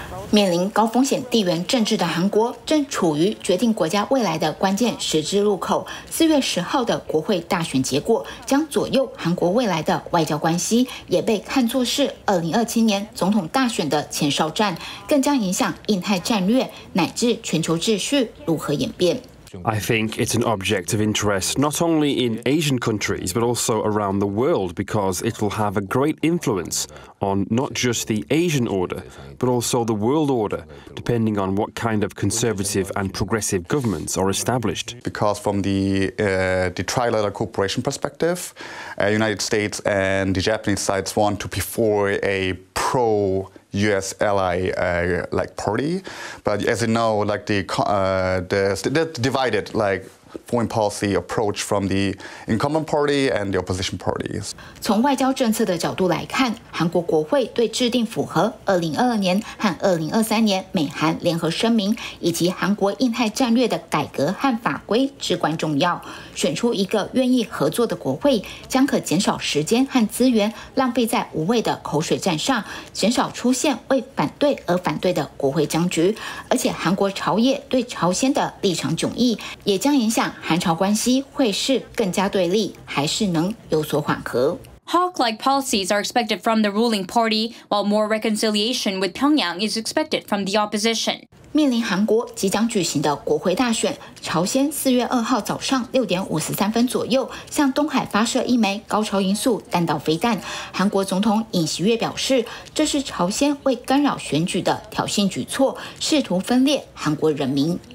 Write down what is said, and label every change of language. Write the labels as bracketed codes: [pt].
[zh] 面临高风险地缘政治的韩国正处于决定国家未来的关键十字路口，4月10号的国会大选结果将左右韩国未来的外交关系，也被看作是2027年总统大选的前哨战，更将影响印太战略乃至全球秩序如何演变。 [en] I think it's an object of interest not only in Asian countries but also around the world because it will have a great influence on not just the Asian order but also the world order depending on what kind of conservative and progressive governments are established. Because from the trilateral cooperation perspective, United States and the Japanese sides want to be for a pro U.S. ally like party, but as you know, like the divided like foreign policy approach from the incumbent party and the opposition parties. [zh] 从外交政策的角度来看，韩国国会对制定符合2022年和2023年美韩联合声明以及韩国印太战略的改革和法规至关重要。选出一个愿意合作的国会，将可减少时间和资源浪费在无谓的口水战上，减少出现为反对而反对的国会僵局。而且韩国朝野对朝鲜的立场迥异，也将影响韩朝关系会是更加对立，还是能有所缓和。 [en] Hawk-like policies are expected from the ruling party, while more reconciliation with Pyongyang is expected from the opposition. [zh] 面临韩国即将举行的国会大选，朝鲜4月2号早上6:53左右向东海发射一枚高超音速弹道飞弹。韩国总统尹锡悦表示，这是朝鲜为干扰选举的挑衅举措，试图分裂韩国人民。